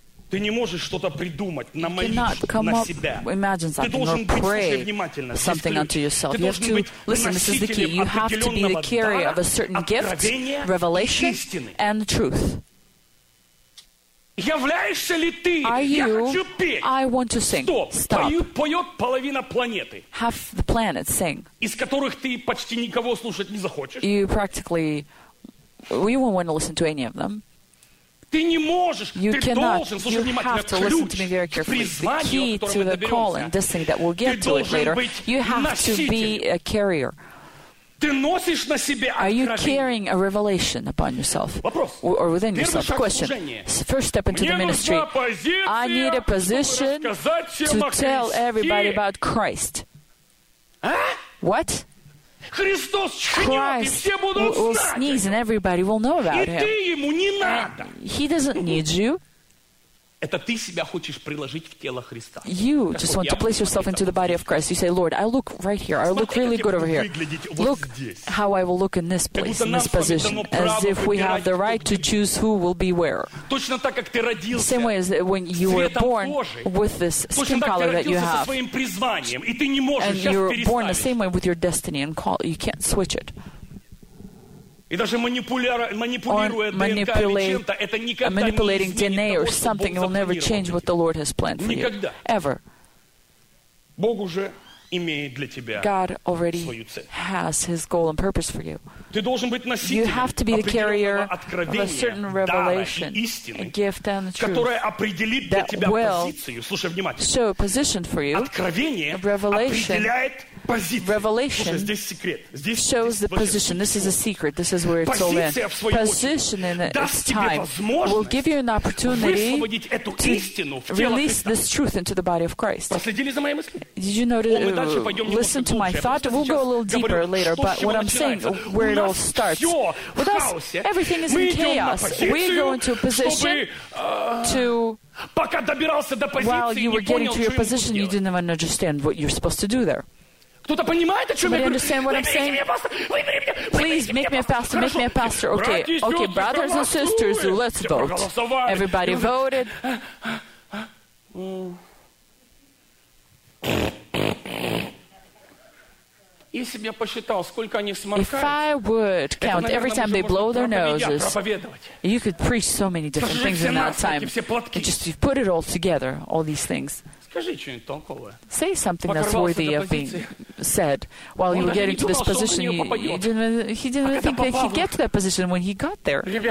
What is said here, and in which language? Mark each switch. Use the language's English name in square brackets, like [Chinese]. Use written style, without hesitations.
[Russian] Ты не можешь что-то придумать на мою личность, на себя. Ты должен быть очень внимательно. [English] Something unto yourself. You have to listen. This is the key. You have to be the carrier of a certain gift, revelation, and the truth. [Russian] Являешься ли ты? [English] Are you? I want to sing. Stop. [Russian] Поет половина планеты. [English] Half the planet sing. [Russian] Из которых ты почти никого слушать не захочешь. [English] You practically, you won't want to listen to any of them. You cannot. You have to listen to me very carefully. The key to the call and destiny that we'll get to it later. You have to be a carrier. Are you carrying a revelation upon yourself or within yourself? Question. First step into the ministry. I need a position to tell everybody about Christ. What? Christ will sneeze and everybody will know about him. He doesn't need you. You just want to place yourself into the body of Christ. You say, Lord, I look right here. I look really good over here. Look how I will look in this place, in this position, as if we have the right to choose who will be where. Same way as when you were born with this skin color that you have. And you're born the same way with your destiny and call. You can't switch it. [Russian] И даже манипулируя ДНК или чем-то, это никогда не изменит того, что Бог запланировал. Никогда. [English] Ever. [Russian] Бог уже имеет для тебя свою цель. [English] Has his goal and purpose for you. [Russian] Ты должен быть носителем определенного откровения, дара и истины, которое определит для тебя позицию. Слушай внимательно. [English] Show a position for you. [Russian] Откровение определяет. [English] Revelation shows the position. This is a secret. This is where it's all in. Position in its time will give you an opportunity to release this truth into the body of Christ. Did you notice? Listen to my thought. We'll go a little deeper later, but what I'm saying, where it all starts. With us, everything is in chaos. We go into a position to... While you were getting to your position, you didn't even understand what you're supposed to do there. [Russian] Кто-то понимает, о чем я говорю? [English] Understand what I'm saying? Please make me a pastor. Make me a pastor. Okay, okay, brothers and sisters, let's vote. Everybody voted. [Russian] Если бы я посчитал, сколько они сморкаются. [English] If I would count every time they blow their noses, you could preach so many different things in that time. And just you put it all together, all these things. Say something that's worthy of being said. While you were getting to this position, he didn't think that he'd get to that position when he got there.